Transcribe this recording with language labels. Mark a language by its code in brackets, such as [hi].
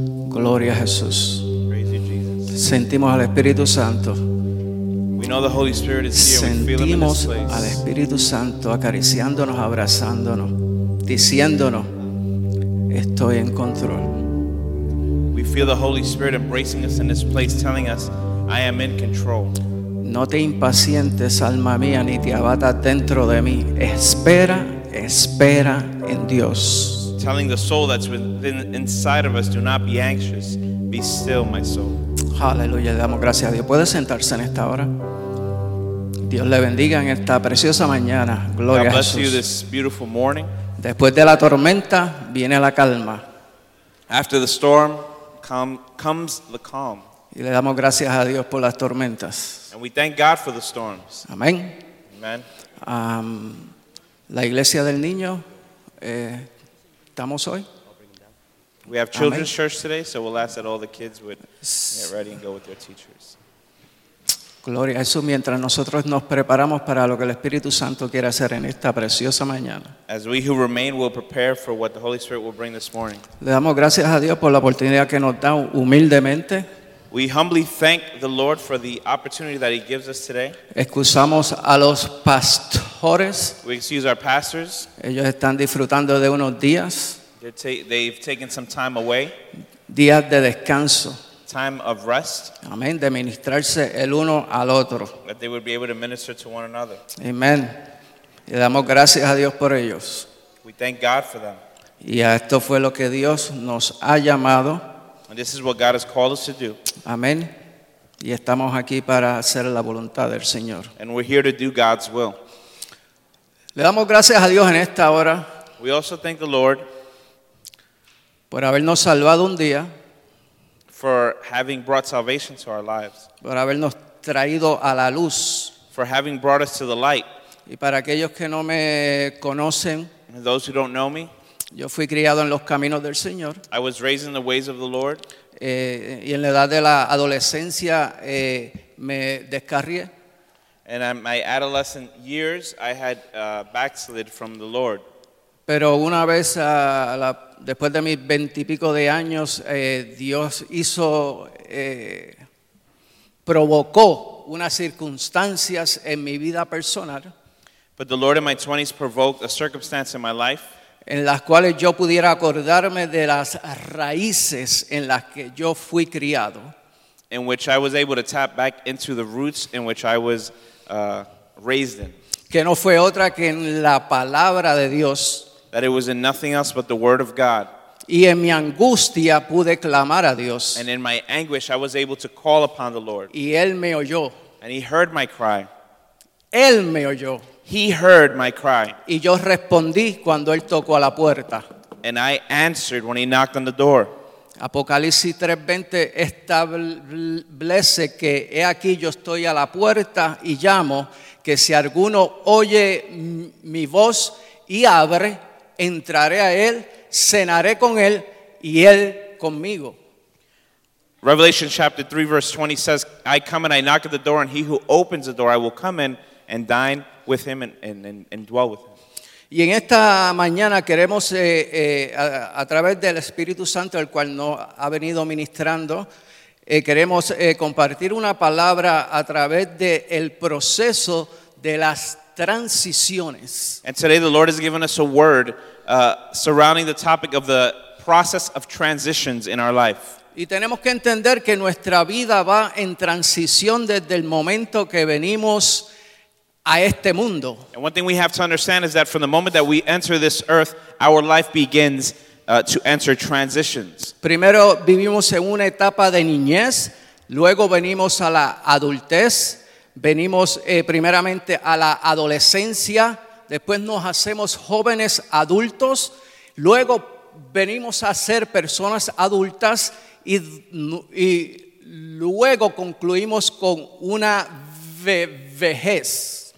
[es] Gloria a Jesús. Sentimos al Espíritu Santo. [en] We know the Holy Spirit is here. [es] Sentimos al Espíritu Santo acariciándonos, abrazándonos, diciéndonos, estoy en control. [en] We feel the Holy Spirit embracing us in this place, telling us, I am in control. [es] No te impacientes, alma mía, ni te abatas dentro de mí. Espera, espera en Dios. [en] Telling the soul that's within inside of us, do not be anxious. Be still, my soul. [es] Aleluya, le damos gracias a Dios. Puede sentarse en esta hora. Dios le bendiga en esta preciosa mañana. Gloria a Jesús. Después de la tormenta viene la calma. [en] After the storm comes the calm. [es] Y le damos gracias a Dios por las tormentas. [en] And we thank God for the storms. [es] Amén. [en] Amen. [es] La iglesia del niño, estamos hoy. [en] We have children's Amen. Church today, so we'll ask that all the kids would get ready and go with their teachers. [es] Gloria a Jesús, mientras nosotros nos preparamos para lo que el Espíritu Santo quiere hacer en esta preciosa mañana. [en] As we who remain will prepare for what the Holy Spirit will bring this morning. [es] Le damos gracias a Dios por la oportunidad que nos da humildemente. [en] We humbly thank the Lord for the opportunity that He gives us today. [es] Excusamos a los pastores. [en] We excuse our pastors. [es] Ellos están disfrutando de unos días. [en] They've taken some time away. [es] Días de descanso. [en] Time of rest. [es] Amén. De ministrarse el uno al otro. [en] That they would be able to minister to one another. [es] Amen. Y damos gracias a Dios por ellos. [en] We thank God for them. [es] Y a esto fue lo que Dios nos ha llamado. [en] And this is what God has called us to do. [es] Amén. Y estamos aquí para hacer la voluntad del Señor. [en] And we're here to do God's will. [es] Le damos gracias a Dios en esta hora. [en] We also thank the Lord. [es] Por habernos salvado un día. [en] For having brought salvation to our lives. [es] Por habernos traído a la luz. [en] For having brought us to the light. [es] Y para aquellos que no me conocen. [en] And those who don't know me. [es] Yo fui criado en los caminos del Señor. [en] I was raised in the ways of the Lord. [es] Y en la edad de la adolescencia me descarrié. [en] And in my adolescent years I had backslid from the Lord. [es] Pero una vez después de mis veintipico de años, Dios hizo, provocó unas circunstancias en mi vida personal. [en] But the Lord in my 20s provoked a circumstance in my life. [es] En las cuales yo pudiera acordarme de las raíces en las que yo fui criado. [en] In which I was able to tap back into the roots in which I was raised in. [es] Que no fue otra que en la palabra de Dios. [en] That it was in nothing else but the word of God. [es] Y en mi angustia pude clamar a Dios. [en] And in my anguish I was able to call upon the Lord. [es] Y él me oyó. [en] And he heard my cry. [es] Él me oyó. [en] He heard my cry. [es] Y yo respondí cuando él tocó a la puerta. [en] And I answered when he knocked on the door. [es] Apocalipsis 3:20 establece que he aquí yo estoy a la puerta y llamo, que si alguno oye mi voz y abre, entraré a él, cenaré con él y él conmigo. [en] Revelation chapter 3 verse 20 says, I come and I knock at the door, and he who opens the door, I will come in and dine with him and dwell with him. [es] Y en esta mañana queremos a través del Espíritu Santo, el cual nos ha venido ministrando, queremos compartir una palabra a través del proceso de las transiciones. [en] And today the Lord has given us a word surrounding the topic of the process of transitions in our life. [es] Y tenemos que entender que nuestra vida va en transición desde el momento que venimos a este mundo. [en] And one thing we have to understand is that from the moment that we enter this earth, our life begins to enter transitions. [es] Primero vivimos en una etapa de niñez, luego venimos a la adultez, venimos primeramente a la adolescencia, después nos hacemos jóvenes adultos, luego venimos a ser personas adultas y luego concluimos con una vejez.